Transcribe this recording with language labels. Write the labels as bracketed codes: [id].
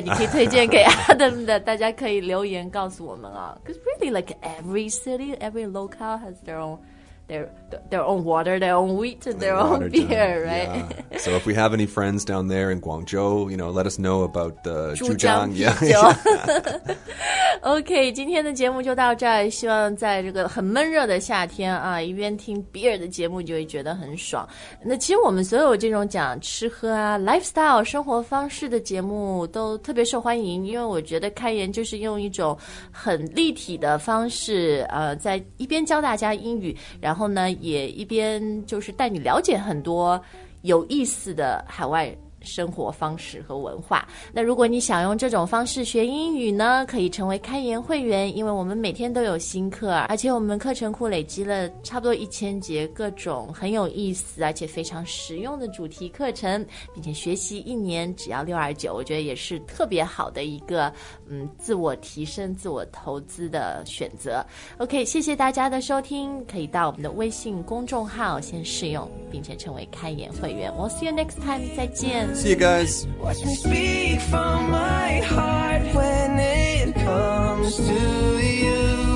[zh] 你可以推荐给 Adam 的，大家可以留言告诉我们啊。 [en] Because really, like every city, every locale has their own. Their own water, their own wheat, their own beer, right? Yeah. So if we have any friends down there in Guangzhou, you know, let us know about the Zhujiang. [zh] Okay, 今天的节目就到这儿。希望在这个很闷热的夏天啊，一边听 beer 的节目就会觉得很爽。那其实我们所有这种讲吃喝啊 lifestyle 生活方式的节目都特别受欢迎，因为我觉得开言就是用一种很立体的方式，在一边教大家英语。然后呢也一边就是带你了解很多有意思的海外生活方式和文化那如果你想用这种方式学英语呢可以成为开言会员因为我们每天都有新课而且我们课程库累积了差不多1000节各种很有意思而且非常实用的主题课程并且学习一年只要629我觉得也是特别好的一个自我提升自我投资的选择 OK 谢谢大家的收听可以到我们的微信公众号先试用并且成为开言会员 [en] We'll see you next time [zh] 再见 [en] See you guys. Watch me speak from my heart when it comes to you.